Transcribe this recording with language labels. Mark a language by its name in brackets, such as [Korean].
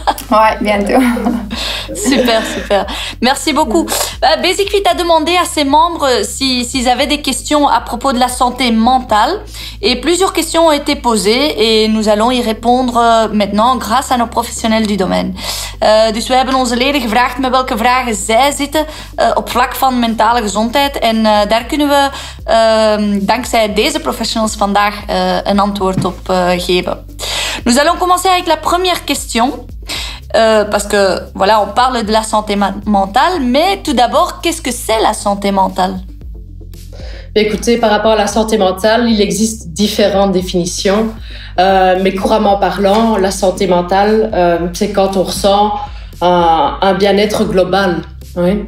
[French] Ouais, bientôt. Super, super. Merci beaucoup. Basic Fit a demandé à ses membres s'ils avaient des questions à propos de la santé mentale. Et plusieurs questions ont été posées et nous allons y répondre maintenant grâce à nos professionnels du domaine. [Dutch] Dus we hebben onze leden gevraagd met welke vragen zij zitten op vlak van mentale gezondheid. En daar kunnen we dankzij deze professionals vandaag een antwoord op geven. [French] Nous allons commencer avec la première question. Parce que voilà, on parle de la santé mentale, mais tout d'abord, qu'est-ce que c'est la santé mentale? Écoutez, par rapport à la santé mentale, il existe différentes définitions, mais couramment parlant, la santé mentale, c'est quand on ressent un bien-être global. Oui.